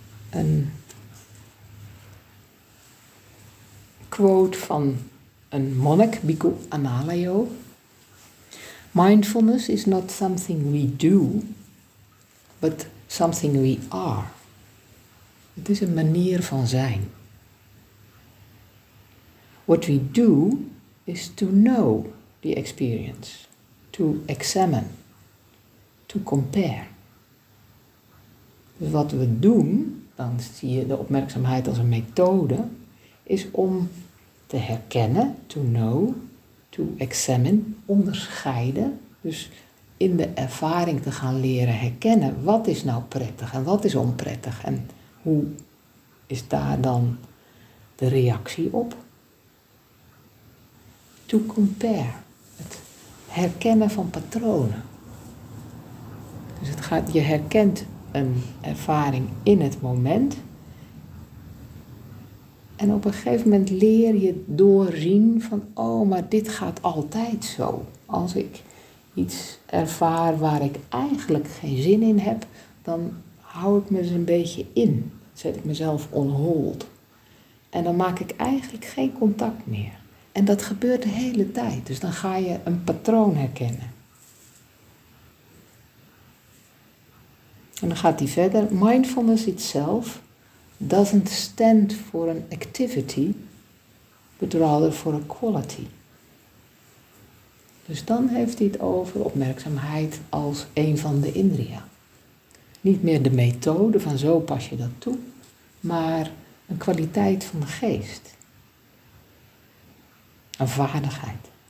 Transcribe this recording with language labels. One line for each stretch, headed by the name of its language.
Dutch: Een quote van een monnik, Bhikkhu Anālayo.
English: Mindfulness is not something we do, but something we are.
Dutch: Het is een manier van zijn.
English: What we do is to know the experience, to examine, to compare.
Dutch: Dus wat we doen, dan zie je de opmerkzaamheid als een methode, is om te herkennen,
English: to know, to examine,
Dutch: onderscheiden. Dus in de ervaring te gaan leren herkennen, wat is nou prettig en wat is onprettig en hoe is daar dan de reactie op? To compare, het herkennen van patronen. Dus het gaat, je herkent een ervaring in het moment. En op een gegeven moment leer je doorzien van, oh, maar dit gaat altijd zo. Als ik iets ervaar waar ik eigenlijk geen zin in heb, dan hou ik me eens een beetje in. Zet ik mezelf on hold. En dan maak ik eigenlijk geen contact meer. En dat gebeurt de hele tijd. Dus dan ga je een patroon herkennen. En dan gaat hij verder.
English: Mindfulness itself doesn't stand for an activity, but rather for a quality.
Dutch: Dus dan heeft hij het over opmerkzaamheid als een van de indriya. Niet meer de methode van zo pas je dat toe, maar een kwaliteit van de geest. Een vaardigheid.